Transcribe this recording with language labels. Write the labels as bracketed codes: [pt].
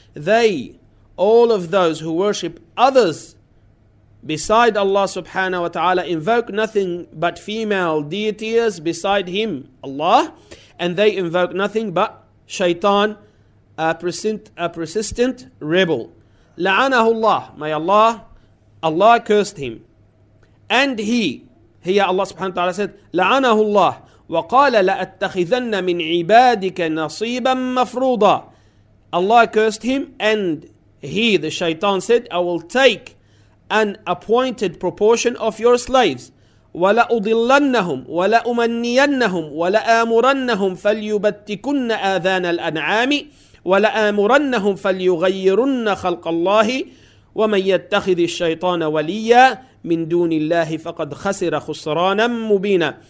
[en] They, all of those who worship others beside Allah subhanahu wa ta'ala, invoke nothing but female deities beside him, Allah, and they invoke nothing but shaitan, a persistent rebel. [ar] لَعَنَهُ اللَّهُ, [en] may Allah cursed him. And he, Allah subhanahu wa ta'ala said, [ar] لَعَنَهُ اللَّهُ وَقَالَ لَأَتَّخِذَنَّ مِنْ عِبَادِكَ نَصِيبًا مَفْرُوضًا. [en] Allah cursed him, and he, the shaitan, said, I will take an appointed proportion of your slaves. [ar] وَلَأُضِلَّنَّهُمْ وَلَأُمَنِّيَنَّهُمْ وَلَآمُرَنَّهُمْ فَلْيُبَتِّكُنَّ آذَانَ الْأَنْعَامِ وَلَآمُرَنَّهُمْ فَلْيُغَيِّرُنَّ خَلْقَ اللَّهِ وَمَنْ يَتَّخِذِ الشَّيْطَانَ وَلِيًّا مِنْ دُونِ اللَّهِ فَقَدْ خَسِرَ خُسْرَانًا مُبِينًا.